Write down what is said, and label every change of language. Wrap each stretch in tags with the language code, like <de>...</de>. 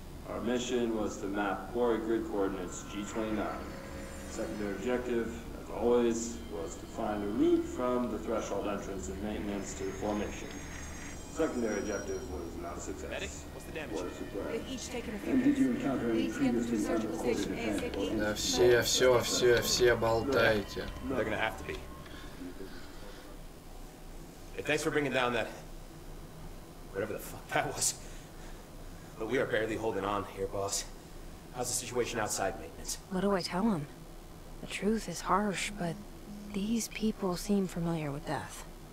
<en>Our mission was to map quarry grid coordinates G29. Secondary objective, as always, was to find a route from the threshold entrance and maintenance to the formation. Secondary objective was not a success. Medic, what's the damage? What a surprise. They've each taken a few. And did you encounter any previous surgical station ASAP?</en> <ru>Да все, все, все, все болтайте.</ru> <en>They're gonna have to be. Hey, thanks for bringing down that... whatever the fuck that was. But we are barely holding on here, boss. How's the situation outside maintenance? What do I tell him? The truth is harsh, but these people seem familiar with death.</en>